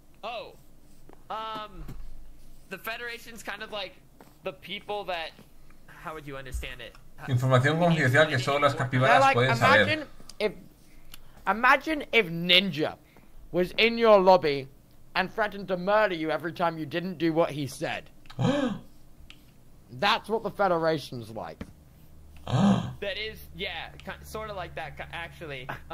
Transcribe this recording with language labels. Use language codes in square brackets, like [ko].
[en] Oh, the Federation's kind of, like, the people that, how would you understand it? [es] Información confidencial que solo las capibaras pueden saber. [en] Imagine if Ninja was in your lobby and threatened to murder you every time you didn't do what he said. That's what the Federation's like. That is, yeah, sort of like that, actually.